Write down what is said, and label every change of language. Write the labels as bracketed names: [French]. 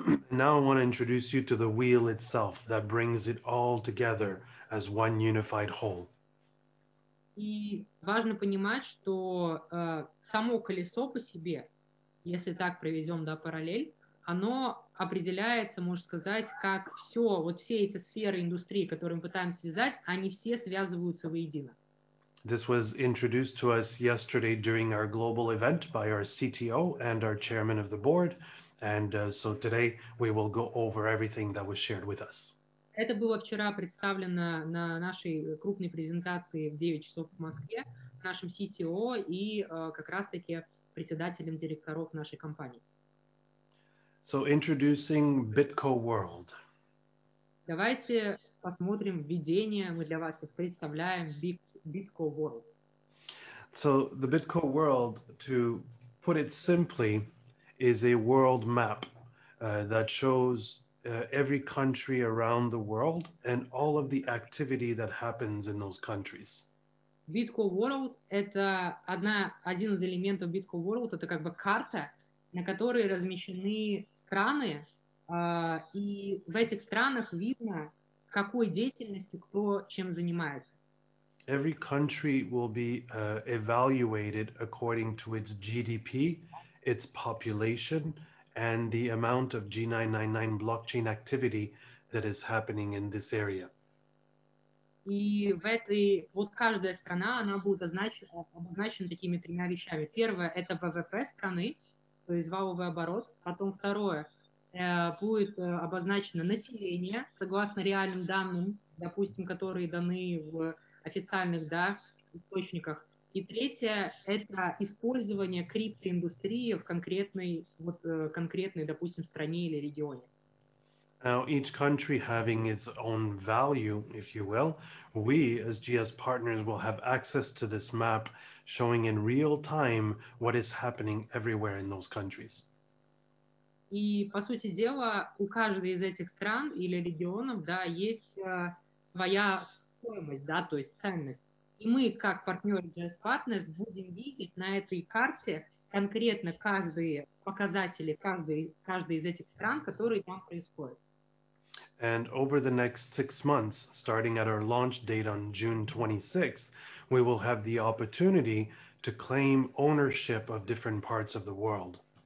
[English] Now I want to introduce you to the wheel itself that brings it all together as one unified whole. [Russian] И важно понимать, что само колесо по себе, если так проведем, да, параллель, оно определяется, можно сказать, как все, вот все эти сферы индустрии, которые мы пытаемся связать, они все связываются воедино. [English] This was introduced to us yesterday during our global event by our CTO and our chairman of the board. And so today we will go over everything that was shared with us. [Russian] Это было вчера представлено на нашей крупной презентации в 9 часов в Москве нашим CTO и как раз-таки председателем директоров нашей компании. [English] So introducing BitCo World. [Russian] Давайте посмотрим введение. Мы для вас сейчас представляем BitCo World. [English] So the BitCo World, to put it simply, is a world map that shows every country around the world and all of the activity that happens in those countries. [Russian] BitCo World — это один из элементов BitCo World, это как бы карта, на которой размещены страны, и в этих странах видно, какой деятельностью кто чем занимается. [English] Every country will be evaluated according to its GDP, its population, and the amount of G999 blockchain activity that is happening in this area. [Russian] И в этой, вот каждая страна, она будет обозначена такими тремя вещами. Первое — это ВВП страны, то есть валовый оборот. Потом второе, будет обозначено население, согласно реальным данным, допустим, которые даны в официальных, да, источниках. И третье, это использование криптоиндустрии в конкретной, вот, конкретной, допустим, стране или регионе. [English] Now, each country having its own value, if you will, we as GS partners will have access to this map showing in real time what is happening everywhere in those countries. [Russian] И, по сути дела, у каждой из этих стран или регионов, да, есть своя стоимость, да, то есть ценность. И мы, как партнеры GS Partners, будем видеть на этой карте конкретно каждые показатели, каждый из этих стран, которые там происходят. [English] And over the next 6 months, starting at our launch date on June 26th, we will have the opportunity to claim ownership of different parts of the world.